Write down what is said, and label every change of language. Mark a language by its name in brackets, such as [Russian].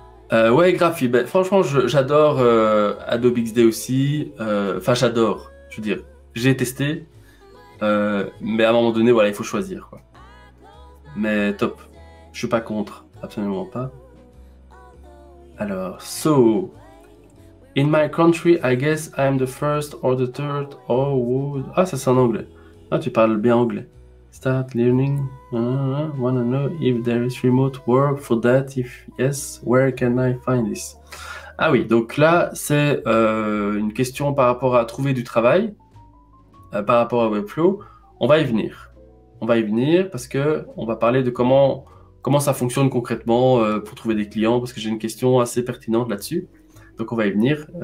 [French] Ouais, Graphi, ben, franchement, j'adore Adobe XD aussi. Enfin, j'adore, je veux dire, j'ai testé. Mais à un moment donné, voilà, il faut choisir, quoi. Mais top, je suis pas contre, absolument pas. [English] Alors, so, in my country, I guess I'm the first or the third or would... [French] Ah, ça c'est en anglais. Ah, tu parles bien anglais. [English] Start learning, wanna know if there is remote work for that, if yes, where can I find this? [French] Ah oui, donc là, c'est une question par rapport à trouver du travail, par rapport à Webflow. On va y venir. On va y venir parce que on va parler de comment ça fonctionne concrètement pour trouver des clients, parce que j'ai une question assez pertinente là-dessus. Donc, on va y venir.